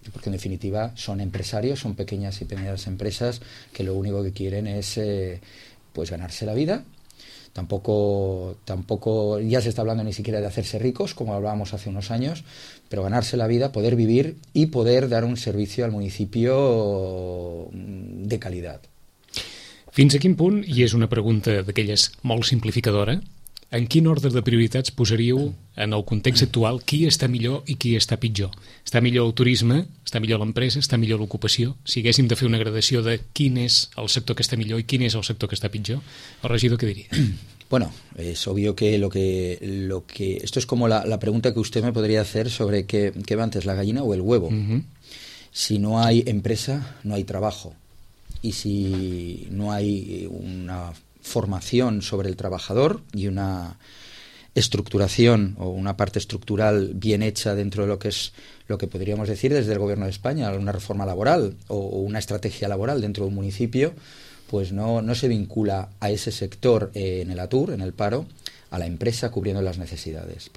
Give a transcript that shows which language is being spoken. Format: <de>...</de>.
<es>Porque en definitiva son empresarios, son pequeñas y medianas empresas que lo único que quieren es pues ganarse la vida, tampoco ya se está hablando ni siquiera de hacerse ricos, como hablábamos hace unos años, pero ganarse la vida, poder vivir y poder dar un servicio al municipio de calidad.</es> <ca>Fins a quin punt, i és una pregunta d'aquelles molt simplificadora, en quin ordre de prioritats posaríeu en el context actual qui està millor i qui està pitjor? Està millor el turisme, està millor l'empresa, està millor l'ocupació? Si haguéssim de fer una gradació de quin és el sector que està millor i quin és el sector que està pitjor, el regidor què diria?</ca> <es>Bueno, es obvio que lo que esto es como la pregunta que usted me podría hacer sobre qué va antes, la gallina o el huevo. Uh-huh. Si no hay empresa, no hay trabajo. Y si no hay una formación sobre el trabajador y una estructuración o una parte estructural bien hecha dentro de lo que es lo que podríamos decir desde el Gobierno de España, una reforma laboral o una estrategia laboral dentro de un municipio, pues no se vincula a ese sector en el ATUR, en el paro, a la empresa cubriendo las necesidades.</es>